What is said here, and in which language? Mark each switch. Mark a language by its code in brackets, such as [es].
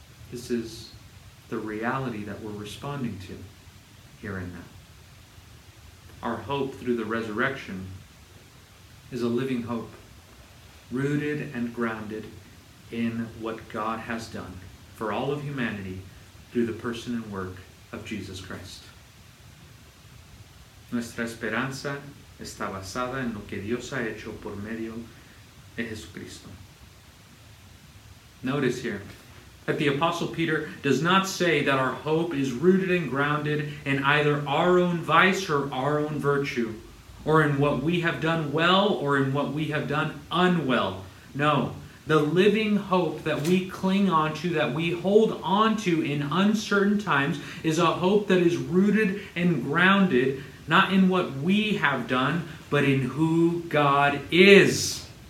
[en] This is the reality that we're responding to, here and now. Our hope through the resurrection is a living hope, rooted and grounded in what God has done for all of humanity through the person and work of Jesus Christ. [es] Nuestra esperanza está basada en lo que Dios ha hecho por medio de Jesucristo. [en] Notice here that the Apostle Peter does not say that our hope is rooted and grounded in either our own vice or our own virtue, or in what we have done well or in what we have done unwell. No. The living hope that we cling on to, that we hold on to in uncertain times, is a hope that is rooted and grounded not in what we have done, but in who God is.